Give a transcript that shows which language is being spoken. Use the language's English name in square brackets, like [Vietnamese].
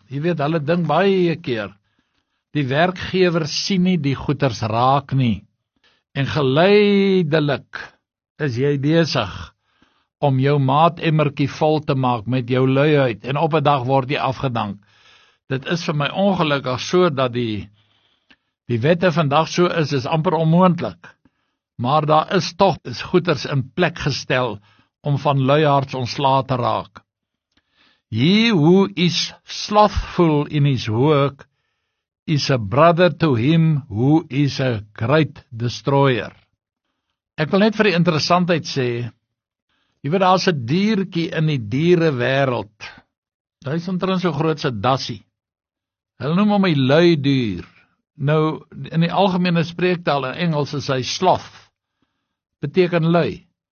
[Afrikaans] Jy weet, hulle ding baie keer, die werkgewer sien nie die goeders raak nie, en geleidelik is jy besig om jou maatemmertjie vol te maak met jou luiheid, en op 'n dag word jy afgedank. Dit is vir my ongelukkig so dat die wette vandag so is amper onmoontlik, maar daar is toch goeders in plek gestel om van luiaards ontslae te raak. [English] He who is slothful in his work is a brother to him who is a great destroyer. [Afrikaans] Ek wil net vir die interessantheid sê, jy weet, daar is 'n diertjie in die diere wêreld. Hy is omtrent so groot so 'n dassie. Hulle noem hom 'n lui dier. Nou, in die algemene spreektaal in Engels is hy sloth. Beteken lui.